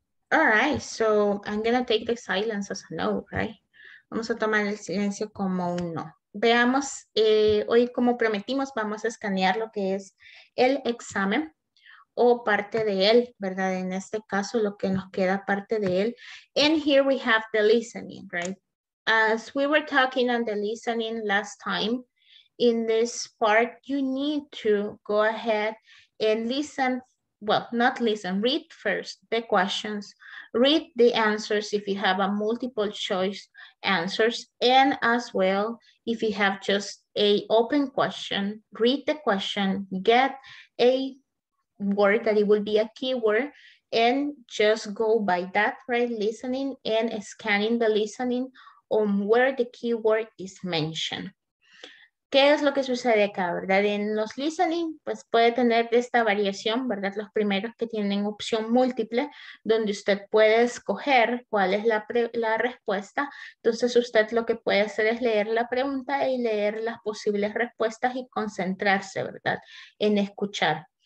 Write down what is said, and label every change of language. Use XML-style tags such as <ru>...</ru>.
<en>All right, so I'm going to take the silence as a no, right?</en> <es>Vamos a tomar el silencio como un no. Veamos, hoy como prometimos, vamos a escanear lo que es el examen o parte de él, ¿verdad? En este caso, lo que nos queda parte de él.</es> <en>And here we have the listening, right? As we were talking on the listening last time, in this part, you need to go ahead and listen, well, not listen, read first the questions, read the answers if you have a multiple choice answers, and as well, if you have just a open question, read the question, get a word that it will be a keyword, and just go by that, right? Listening and scanning the listening on where the keyword is mentioned.</en> <es>¿Qué es lo que sucede acá, verdad? En los listening, pues puede tener esta variación, ¿verdad? Los primeros que tienen opción múltiple, donde usted puede escoger cuál es la respuesta. Entonces usted lo que puede hacer es leer la pregunta y leer las posibles respuestas y concentrarse, ¿verdad? En escuchar.</es>